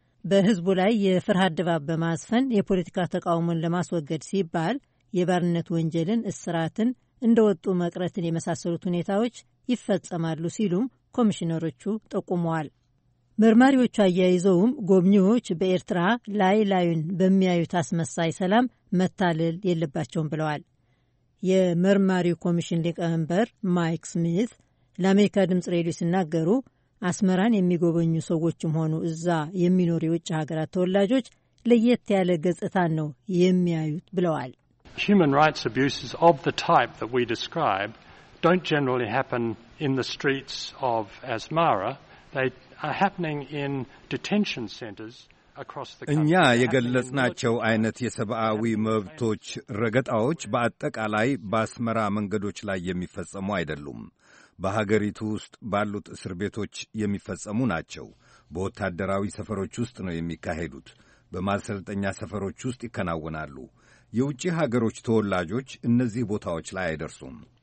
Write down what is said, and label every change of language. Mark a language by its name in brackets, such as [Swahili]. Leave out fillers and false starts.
[Amharic] በህዝቡ ላይ የፍርሃት ድባብ በማስፈን የፖለቲካ ተቃውሞን ለማስወገድ ሲባል የባርነት ወንጀልን፣ እስራትን፣ እንደወጡ መቅረትን የመሳሰሉት ሁኔታዎች ይፈጸማሉ ሲሉም ኮሚሽነሮቹ ጠቁመዋል። መርማሪዎቹ አያይዘውም ጎብኚዎች በኤርትራ ላይ ላዩን በሚያዩት አስመሳይ ሰላም መታለል የለባቸውም ብለዋል። የመርማሪው ኮሚሽን ሊቀመንበር ማይክ ስሚት ለአሜሪካ ድምፅ ሬዲዮ ሲናገሩ አስመራን የሚጎበኙ ሰዎችም ሆኑ እዛ የሚኖሩ የውጭ ሀገራት ተወላጆች ለየት ያለ ገጽታን ነው የሚያዩት ብለዋል። [English] Human rights abuses of the type that we describe don't generally happen in the streets of Asmara. They are happening in detention centers across the country. [Amharic] እኛ የገለጽናቸው አይነት የሰብአዊ መብቶች ረገጣዎች በአጠቃላይ በአስመራ መንገዶች ላይ የሚፈጸሙ አይደሉም። በሀገሪቱ ውስጥ ባሉት እስር ቤቶች የሚፈጸሙ ናቸው። በወታደራዊ ሰፈሮች ውስጥ ነው የሚካሄዱት። በማሰልጠኛ ሰፈሮች ውስጥ ይከናወናሉ። የውጭ ሀገሮች ተወላጆች እነዚህ ቦታዎች ላይ አይደርሱም።